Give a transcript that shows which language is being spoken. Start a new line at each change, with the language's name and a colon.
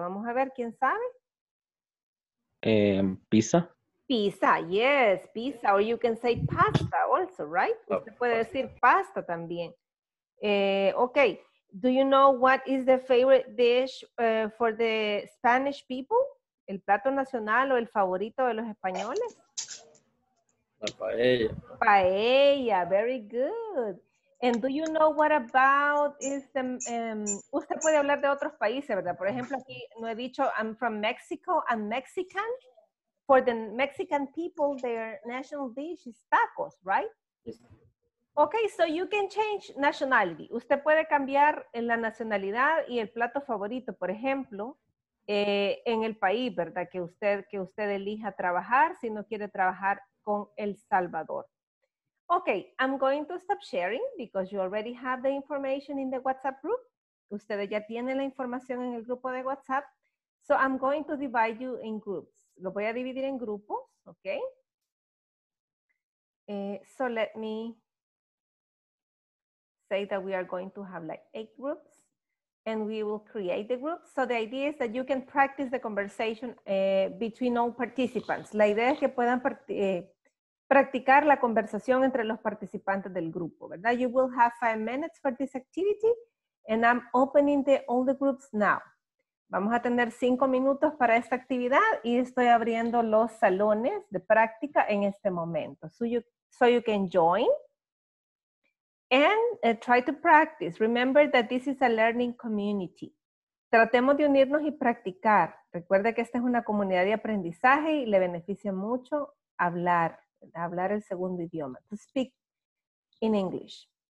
Spanish: Vamos a ver, ¿quién sabe?
English: Pizza. Pizza, yes, pizza. Or you can say pasta also, right?
Spanish: Oh, usted puede decir pasta también. Okay.
English: Do you know what is the favorite dish for the Spanish people?
Spanish: ¿El plato nacional o el favorito de los españoles? La paella.
English: Paella, very good. And do you know what about is the,
Spanish: usted puede hablar de otros países, ¿verdad? Por ejemplo, aquí no he dicho,
English: I'm from Mexico, I'm Mexican. For the Mexican people, their national dish is tacos, right? Yes. Okay, so you can change nationality.
Spanish: Usted puede cambiar en la nacionalidad y el plato favorito, por ejemplo, en el país, ¿verdad? Que usted elija trabajar si no quiere trabajar con El Salvador.
English: Okay, I'm going to stop sharing because you already have the information in the WhatsApp group.
Spanish: Ustedes ya tienen la información en el grupo de WhatsApp.
English: So I'm going to divide you in groups.
Spanish: Lo voy a dividir en grupos,
English: okay? So let me say that we are going to have like 8 groups and we will create the groups. So the idea is that you can practice the conversation between all participants.
Spanish: La idea es que puedan practicar la conversación entre los participantes del grupo, ¿verdad?
English: You will have 5 minutes for this activity and I'm opening all the groups now.
Spanish: Vamos a tener 5 minutos para esta actividad y estoy abriendo los salones de práctica en este momento.
English: So you can join and try to practice. Remember that this is a learning community.
Spanish: Tratemos de unirnos y practicar. Recuerde que esta es una comunidad de aprendizaje y le beneficia mucho hablar, hablar el segundo idioma,
English: to speak in English.